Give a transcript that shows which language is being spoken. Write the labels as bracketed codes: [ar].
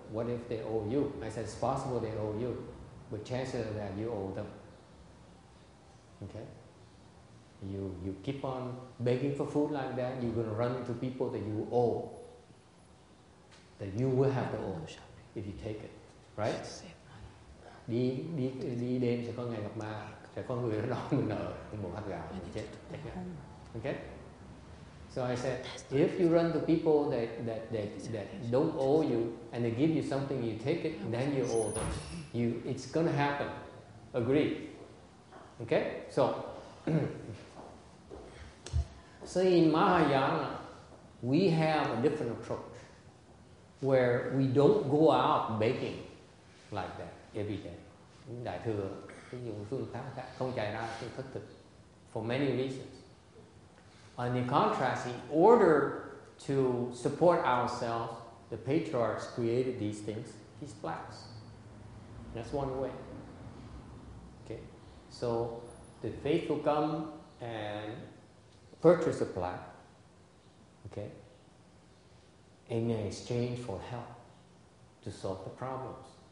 [en] What if they owe you? I said, it's possible they owe you, but chances are that you owe them. Okay. You keep on begging for food like that, you're going to run into people that you owe, that you will have to owe if you take it, right? [vi] Đi đêm sẽ có ngày gặp ma, sẽ có người đó mình nợ một hạt gạo mình chết. [en] Okay. So I said, if you run to people that don't owe you and they give you something, you take it, then you owe them. You, it's going to happen. Agree? Okay. So. So in Mahayana, we have a different approach where we don't go out begging like that every day. [vi] Đại thừa có nhiều phương pháp khác, không chạy ra sự thất thực [en] for many reasons. On the contrast, in order to support ourselves, the patriarchs created these things, these flags. That's one way. Okay. So the faithful come and purchase a plant, okay, in exchange for help to solve the problems.